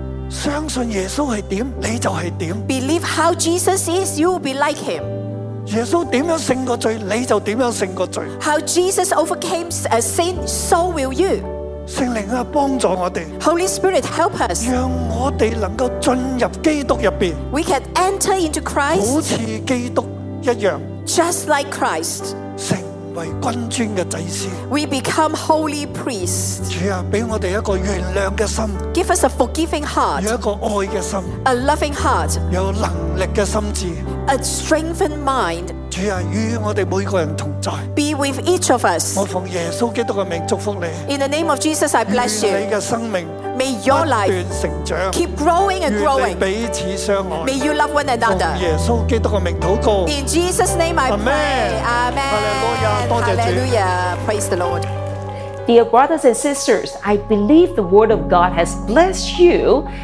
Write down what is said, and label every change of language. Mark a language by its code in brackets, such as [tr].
[yue] 相信耶稣是点，你就是点。 [en] Believe how Jesus is, you will be like him. [yue] 耶稣点样胜过罪，你就点样胜过罪。 [en] How Jesus overcame a sin, so will you. [yue] 圣灵啊，帮助我哋。 [en] Holy Spirit, help us. [yue] 让我哋能够进入基督入边。 [en] We can enter into Christ. [yue] 好似基督一样。 [en] Just like Christ. [yue] 成为君尊嘅祭司。 [en] We become holy priests. [yue] 主啊，俾我哋一个原谅嘅心。 [en] Give us a forgiving heart, [yue] 有一个爱的心, [en] a loving heart, [yue] 有能力的心智, [en] a strengthened mind. [yue] 主啊, 与我们每个人同在, [en] be with each of us. [yue] 我奉耶稣基督的名祝福你, [en] in the name of Jesus, I bless you. [yue] 与你的生命, [en] may your life [yue] 不断成长, [en] keep growing and growing. [yue] 与你彼此相爱, [en] may you love one another. [yue] 奉耶稣基督的名祷告, [en] in Jesus' name I pray. Amen. Hallelujah. Hallelujah. Praise the Lord. Dear brothers and sisters, I believe the Word of God has blessed you.